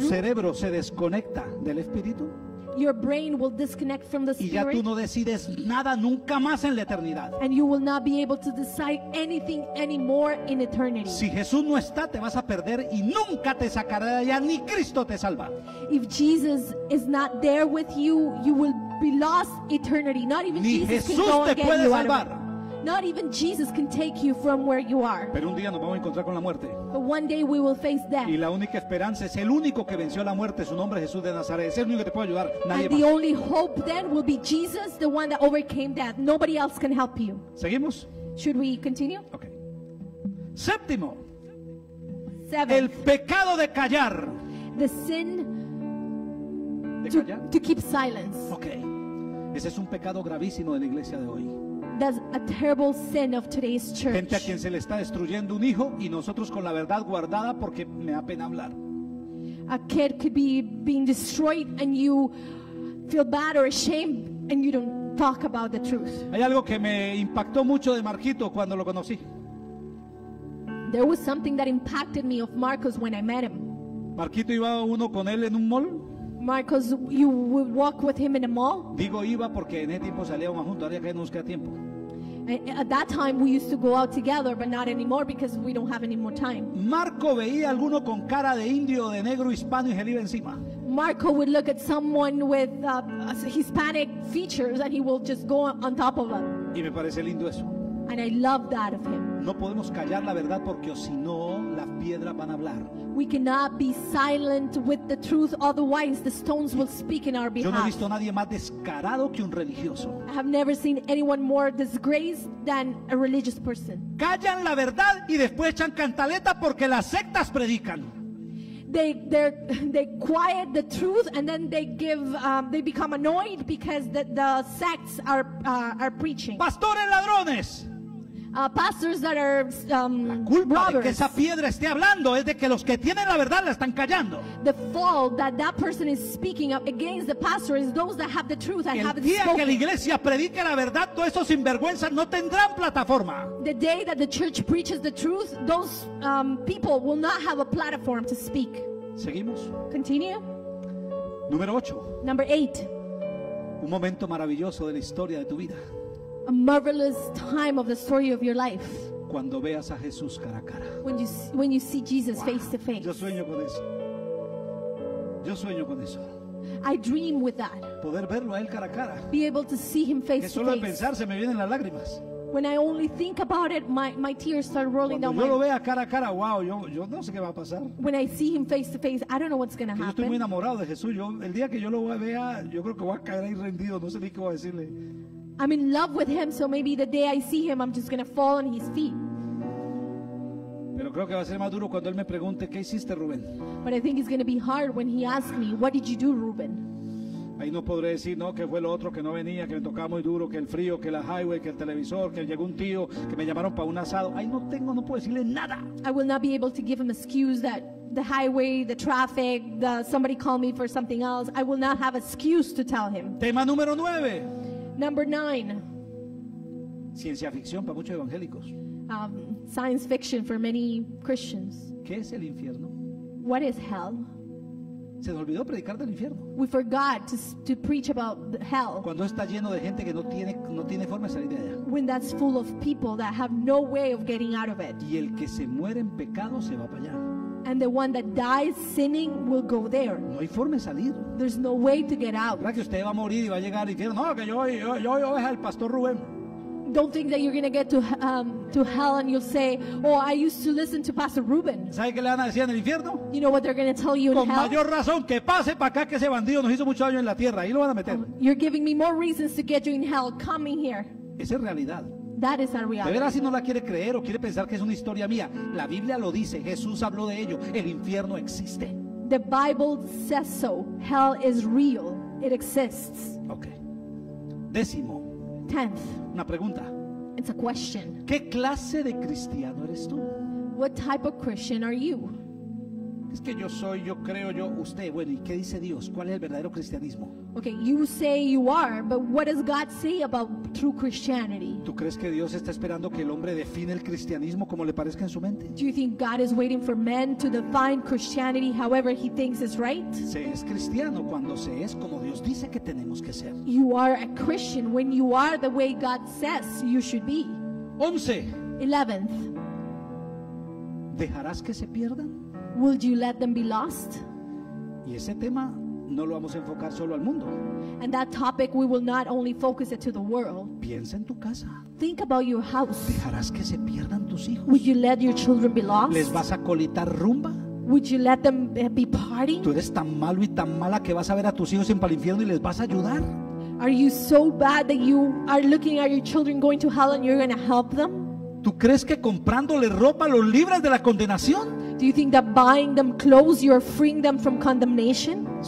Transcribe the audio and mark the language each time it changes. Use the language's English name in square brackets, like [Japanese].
[Spanish] Tu cerebro se desconecta del espíritu. [English] Your brain will disconnect from the spirit. [Spanish] Y ya tú no decides nada nunca más en la eternidad. [English] And you will not be able to decide anything anymore in eternity. [Spanish] Si Jesús no está, te vas a perder y nunca te sacará de allá, ni Cristo te salva. [English] If Jesus is not there with you, you will be lost eternity. Not even [Spanish] ni Jesus te puede salvar. [English] Not even Jesus can take you from where you are. [Spanish] Pero un día nos vamos a encontrar con la muerte. [English] But one day we will face death. [Spanish] Y la única esperanza es el único que venció la muerte, su nombre es Jesús de Nazaret. Es el único que te puede ayudar. Nadie más. [English] The only hope then will be Jesus, the one that overcame death. Nobody else can help you. [Spanish] ¿Seguimos? [English] Should we continue? [Spanish] Okay. Séptimo. [English] Seventh. [Spanish] El pecado de callar. [English] The sin to keep silence. Okay. [Spanish] Ese es un pecado gravísimo de la iglesia de hoy. [English] That's a terrible sin of today's church. [Spanish] Gente a quien se le está destruyendo un hijo y nosotros con la verdad guardada porque me da pena hablar. [English] A kid could be being destroyed and you feel bad or ashamed and you don't talk about the truth. [Spanish] Hay algo que me impactó mucho de Marquito cuando lo conocí. [English] There was something that impacted me of Marcos when I met him. [Spanish] Marquito iba uno con él en un mall. [English] Marcos, you would walk with him in a mall? [Spanish] Digo iba porque en ese tiempo salíamos juntos, ahora ya no nos queda tiempo. [English] At that time we used to go out together, but not anymore because we don't have any more time. [Spanish] Marco veía alguno con cara de indio, de negro, hispano y se le iba encima. [English] Marco would look at someone with Hispanic features and he will just go on top of them. [Spanish] Y me parece lindo eso. [English] And I love that of him. [Spanish] No podemos callar la verdad porque si no las piedras van a hablar. [English] We cannot be silent with the truth, otherwise the stones will speak in our behalf. [Spanish] Yo no he visto a nadie más descarado que un religioso. [English] I have never seen anyone more disgraced than a religious person. [Spanish] Callan la verdad y después echan cantaleta porque las sectas predican. [English] They quiet the truth and then they give they become annoyed because the sects are preaching. [Spanish] Pastores ladrones. [English] pastors that are [Spanish] la culpa [English] robbers. [Spanish] De que esa piedra esté hablando es de que los que tienen la verdad la están callando. [English] The fault that that person is speaking up against the pastor is those that have the truth and haven't spoken. [Spanish] El día que la iglesia predique la verdad, todos esos sinvergüenzas no tendrán plataforma. [English] The day that the church preaches the truth, those people will not have a platform to speak. [Spanish] Seguimos. [English] Continue. [Spanish] Número 8. [English] Number 8. [Spanish] Un momento maravilloso de la historia de tu vida. [English] A marvelous time of the story of your life. [Spanish] Cuando veas a Jesús cara a cara. [English] When you see Jesus, wow, face to face. [Spanish] Yo sueño con eso. Yo sueño con eso. [English] I dream with that. [Spanish] Poder verlo a él cara a cara. [English] Be able to see him face to face. [Spanish] Que solo de pensar se me vienen las lágrimas. [English] When I only think about it, my tears start rolling down my face. [Spanish] Cuando yo lo vea cara a cara, wow, yo no sé qué va a pasar. [English] When I see him face to face, I don't know what's going to happen. [Spanish] Yo estoy muy enamorado de Jesús. Yo, el día que yo lo vea, yo creo que voy a caer ahí rendido. No sé ni qué voy a decirle. [English] I'm in love with him, so maybe the day I see him, I'm just going to fall on his feet. [Spanish] Pero creo que va a ser más duro cuando él me pregunte, ¿qué hiciste, Rubén? [English] But I think it's going to be hard when he asks me, what did you do, Ruben? [Spanish] Ahí no podré decir, no, que fue lo otro, que no venía, que me tocaba muy duro, que el frío, que la highway, que el televisor, que llegó un tío, que me llamaron para un asado. Ahí no tengo, no puedo decirle nada. [English] I will not be able to give him excuse that the highway, the traffic, the somebody called me for something else. I will not have excuse to tell him. [Spanish] Tema número 9. [English] Number 9. [Spanish] Ciencia ficción para muchos evangélicos. [English] Science fiction for many Christians. [Spanish] ¿Qué es el infierno? [English] What is hell? [Spanish] Se nos olvidó predicar del infierno. [English] We forgot to preach about hell. [Spanish] Cuando está lleno de gente que no tiene forma de salir de allá. [English] When that's full of people that have no way of getting out of it. [Spanish] Y el que se muere en pecado se va para allá. [English] And the one that dies sinning will go there. [Spanish] No hay forma de salir. [English] There's no way to get out. [Spanish] ¿Verdad que usted va a morir y va a llegar y dice, no, que yo es el pastor Rubén? [English] Don't think that you're going to get to hell and you'll say, oh, I used to listen to Pastor Ruben. [Spanish] ¿Sabe qué le van a decir en el infierno? [English] You know what they're going to tell you in [Spanish] con [English] hell? [Spanish] Con mayor razón, que pase para acá, que ese bandido nos hizo mucho daño en la tierra. Ahí lo van a meter. [English] You're giving me more reasons to get you in hell. Coming here. [Spanish] Esa es realidad. [English] That is our reality. [Spanish] De veras, si no la quiere creer o quiere pensar que es una historia mía, la Biblia lo dice. Jesús habló de ello. El infierno existe. [English] The Bible says so. Hell is real. It exists. [Spanish] Okay. Décimo. [English] Tenth. [Spanish] Una pregunta. [English] It's a question. [Spanish] ¿Qué clase de cristiano eres tú? [English] What type of Christian are you? [Spanish] Es que yo soy, yo creo, yo, usted. Bueno, ¿y qué dice Dios? ¿Cuál es el verdadero cristianismo? [English] Okay, you say you are, but what does God say about true Christianity? [Spanish] ¿Tú crees que Dios está esperando que el hombre define el cristianismo como le parezca en su mente? [English] Do you think God is waiting for men to define Christianity however he thinks is right? [Spanish] Se es cristiano cuando se es como Dios dice que tenemos que ser. [English] You are a Christian when you are the way God says you should be. [Spanish] 11. [English] 11th. [Spanish] ¿Dejarás que se pierdan? [English] Will you let them be lost? [Spanish] Y ese tema no lo vamos a enfocar solo al mundo. [English] And that topic we will not only focus it to the world. [Spanish] Piensa en tu casa. [English] Think about your house. [Spanish] ¿Dejarás que se pierdan tus hijos? [English] Will you let your children be lost? [Spanish] ¿Les vas a colitar rumba? [English] Would you let them be partying? [Spanish] ¿Tú eres tan malo y tan mala que vas a ver a tus hijos en para el infierno y les vas a ayudar? [English] Are you so bad that you are looking at your children going to hell and you're going to help them? [Spanish] ¿Tú crees que comprándole ropa los libras de la condenación? [English] Do you think that buying them clothes you are freeing them from condemnation?